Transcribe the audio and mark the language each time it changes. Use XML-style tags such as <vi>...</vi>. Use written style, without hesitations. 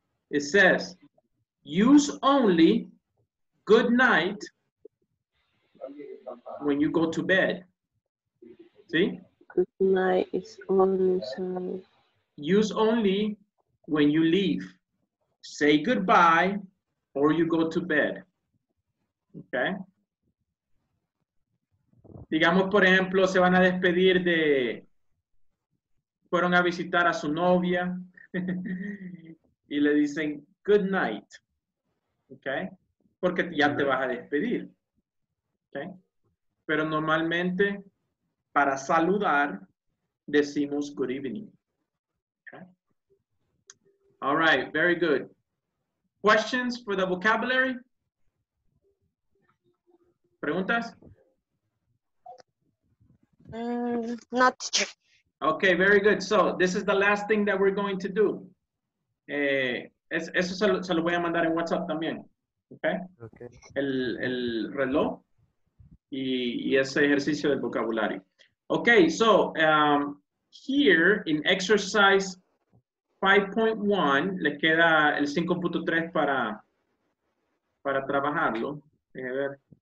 <en>It says, use only good night when you go to bed. See? Good night is only sunny. Use only when you leave, say goodbye or you go to bed. Okay?</en> <es>Digamos, por ejemplo, se van a despedir de... Fueron a visitar a su novia y le dicen good night. Okay? Porque ya te vas a despedir. Okay? Pero normalmente, para saludar, decimos good evening. Okay?</es> <en>All right, very good. Questions for the vocabulary?</en> <es>¿Preguntas?</es> <en>Not teacher. Okay, very good. So, this is the last thing that we're going to do.</en> <es>Eso se lo voy a mandar en WhatsApp también.</es> <en>Okay? Okay.</en> <es>El reloj y ese ejercicio del vocabulario.</es> <en>Okay, so, here in exercise 5.1,</en> <es>le queda el 5.3 para trabajarlo. A ver.</es>